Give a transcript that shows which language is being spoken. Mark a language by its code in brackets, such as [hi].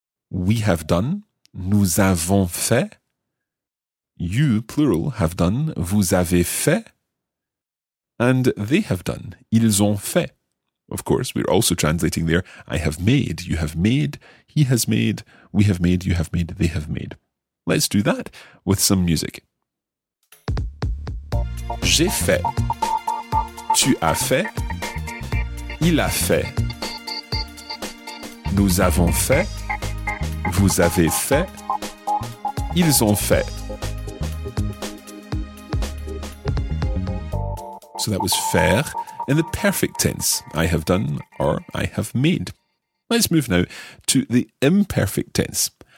[en] We have done, [fr] nous avons fait, [en] you, plural, have done, [fr] vous avez fait, [en] and they have done, [fr] ils ont fait. [en] Of course, we're also translating there, I have made, you have made, he has made, we have made, you have made, they have made. Let's do that with some music. [fr] J'ai fait, tu as fait, il a fait, nous avons fait, vous avez fait, ils ont fait. [en] So that was faire in the perfect tense. I have done or I have made. Let's move now to the imperfect tense.